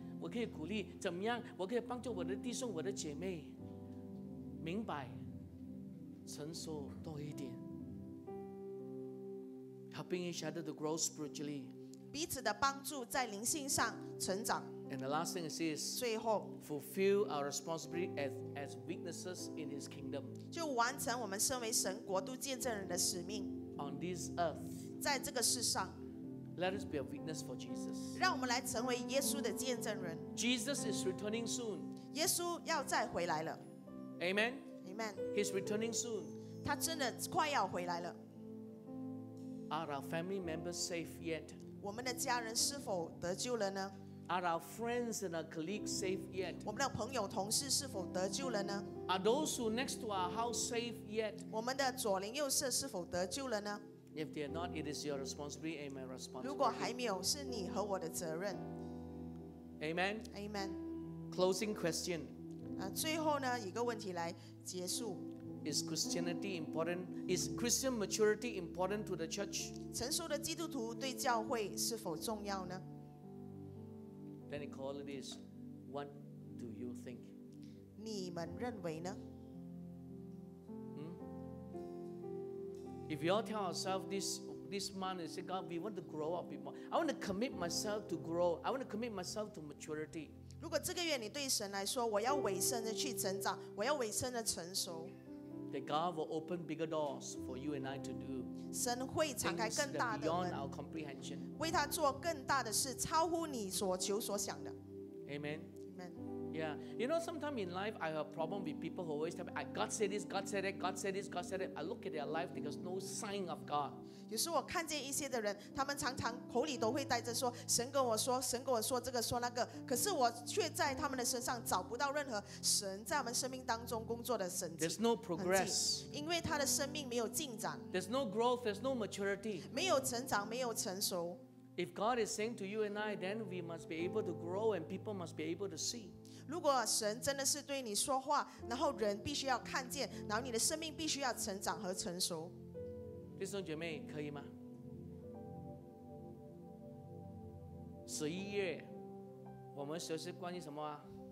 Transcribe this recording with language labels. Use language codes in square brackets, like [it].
[zh] 我可以鼓励怎么样我可以帮助我的弟兄我的姐妹明白成熟多一点 [en] helping each other to grow spiritually [zh] 彼此的帮助在灵性上成长 [en] and the last thing it says [zh] 最后 [en] fulfill our responsibility as witnesses in his kingdom [zh] 就完成我们身为神国度见证人的使命 [en] on this earth [zh] 在这个世上 [en] Let us be a witness for Jesus. [zh] 让我们来成为耶稣的见证人。 [en] Jesus is returning soon. [zh] 耶稣要再回来了。 [en] Amen. Amen. He's returning soon. [zh] 他真的快要回来了。 [en] Are our family members safe yet? [zh] 我们的家人是否得救了呢？ [en] Are our friends and our colleagues safe yet? [zh] 我们的朋友同事是否得救了呢？ [en] Are those who next to our house safe yet? [zh] 我们的左邻右舍是否得救了呢？ [en] If they are not, it is your responsibility and my responsibility. [zh] 如果还没有，是你和我的责任。 [en] Amen. Amen. Closing question. [zh] 最后呢，一个问题来结束。 [en] Is Christianity important? Is Christian maturity important to the church? [zh] 成熟的基督徒对教会是否重要呢？ [en] Then it call it is, what do you think? [zh] 你们认为呢？ [en] If you all tell ourselves this month, and say, God, we want to grow up more. I want to commit myself to grow. I want to commit myself to maturity. [zh] 如果这个月你对神来说，我要委身的去成长，我要委身的成熟。 [en] That God will open bigger doors for you and I to do. [zh] 神会敞开更大的门。 [en] Beyond our comprehension. [zh] 为他做更大的事，超乎你所求所想的。 [en] Amen. Amen. Yeah. You know, sometimes in life, I have a problem with people who always tell me, God said this, God said that, God said this, God said that. I look at their life, there's no sign of God. [zh] 有时我看见一些的人，他们常常口里都会带着说，神跟我说，神跟我说这个说那个，可是我却在他们的身上找不到任何神在他们生命当中工作的神迹。 [en] There's no progress. [zh] 因为他的生命没有进展。 [en] There's no growth, there's no maturity. [zh] 没有成长，没有成熟。 [en] If God is saying to you and I, then we must be able to grow and people must be able to see. [zh] 如果神真的是对你说话，然后人必须要看见，然后你的生命必须要成长和成熟。弟兄姐妹，可以吗？十一月，我们学习关于什么啊？